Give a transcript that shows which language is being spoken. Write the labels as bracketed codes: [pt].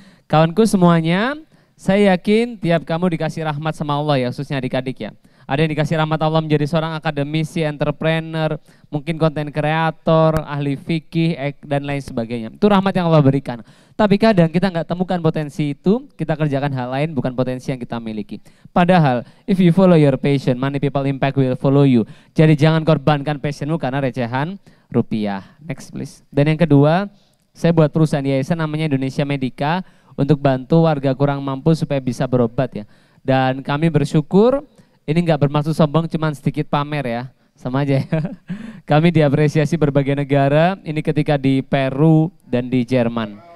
[id] Kawanku semuanya, saya yakin tiap kamu dikasih rahmat sama Allah ya, khususnya adik-adik ya. Ada yang dikasih rahmat Allah menjadi seorang akademisi, entrepreneur, mungkin konten kreator, ahli fikih, dan lain sebagainya. Itu rahmat yang Allah berikan. Tapi kadang kita nggak temukan potensi itu, kita kerjakan hal lain bukan potensi yang kita miliki. [en] Padahal, if you follow your passion, many people impact will follow you. [id] Jadi jangan korbankan passionmu karena recehan rupiah. [en] Next please. [id] Dan yang kedua, saya buat perusahaan yayasan namanya Indonesia Medica untuk bantu warga kurang mampu supaya bisa berobat ya. Dan kami bersyukur. Ini enggak bermaksud sombong, cuman sedikit pamer ya. Sama aja ya. Kami diapresiasi berbagai negara, ini ketika di Peru dan di Jerman.